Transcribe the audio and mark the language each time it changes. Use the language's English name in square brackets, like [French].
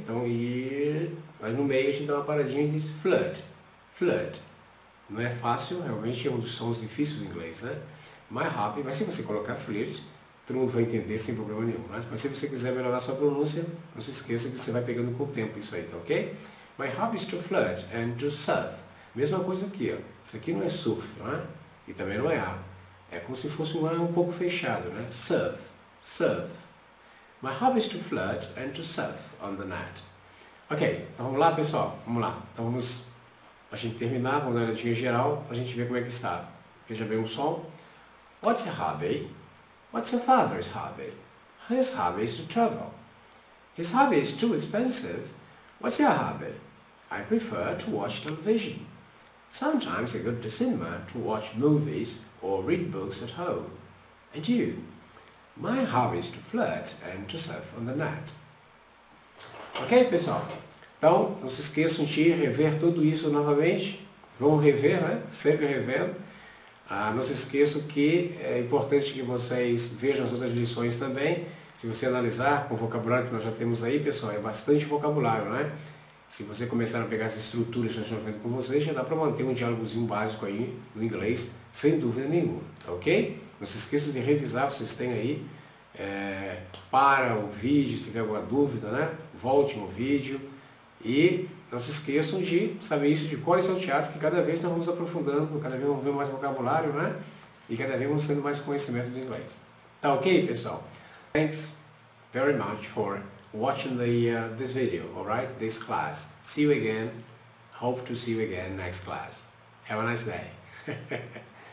[Portuguese] Então I, mas no meio a gente dá uma paradinha e diz flirt, flirt. Não é fácil, realmente é um dos sons difíceis do inglês, né? [English] My hobby, [Portuguese] mas se você colocar flirt, todo mundo vai entender sem problema nenhum, né? Mas se você quiser melhorar sua pronúncia, não se esqueça que você vai pegando com o tempo isso aí, tá ok? [English] My hobby is to flirt and to surf. [Portuguese] Mesma coisa aqui, ó. Isso aqui não é surf, né? E também não é A. É como se fosse um A um pouco fechado, né? [English] Surf, surf. My hobby is to flirt and to surf on the net. [Portuguese] Ok, então vamos lá, pessoal. Vamos lá. Então vamos... A gente terminar, vamos dar uma olhadinha geral para a gente ver como é que está. Veja bem o som. [English] What's your hobby? What's your father's hobby? His hobby is to travel. His hobby is too expensive. What's your hobby? I prefer to watch television. Sometimes I go to the cinema to watch movies or read books at home. And you? My hobby is to flirt and to surf on the net. [Portuguese] Ok, pessoal? Então, não se esqueçam de rever tudo isso novamente. Vão rever, né? Sempre revendo. Ah, não se esqueçam que é importante que vocês vejam as outras lições também. Se você analisar com o vocabulário que nós já temos aí, pessoal, é bastante vocabulário, né? Se você começar a pegar as estruturas que nós estamos vendo com vocês, já dá para manter um diálogozinho básico aí no inglês, sem dúvida nenhuma, tá ok? Não se esqueçam de revisar, vocês têm aí. Para o vídeo, se tiver alguma dúvida, né? Volte no vídeo. E não se esqueçam de saber isso de cor e salteado, que cada vez nós vamos aprofundando, cada vez vamos ver mais vocabulário, né? E cada vez vamos tendo mais conhecimento do inglês. Tá ok, pessoal? [English] Thanks very much for watching this video, alright? This class. See you again. Hope to see you again next class. Have a nice day.